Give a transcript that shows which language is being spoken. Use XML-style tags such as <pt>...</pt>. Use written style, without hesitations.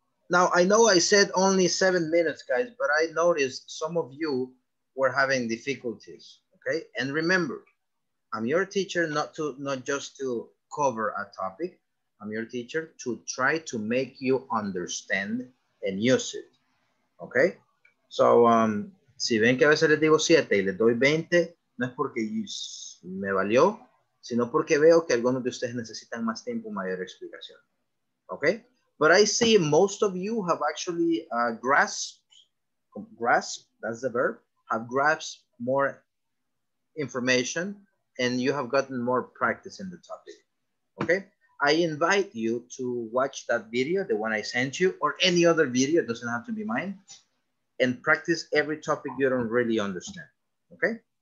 <en>Now, I know I said only 7 minutes, guys, but I noticed some of you were having difficulties, okay? And remember, I'm your teacher not just to cover a topic, I'm your teacher to try to make you understand and use it, okay?</en> <es>So, si ven que a veces les digo siete y les doy 20, no es porque me valió, sino porque veo que algunos de ustedes necesitan más tiempo, mayor explicación.</es> <en>Okay? But I see most of you have actually grasped, that's the verb, have grasped more information and you have gotten more practice in the topic. Okay? I invite you to watch that video, the one I sent you, or any other video, it doesn't have to be mine, and practice every topic you don't really understand. Okay?</en>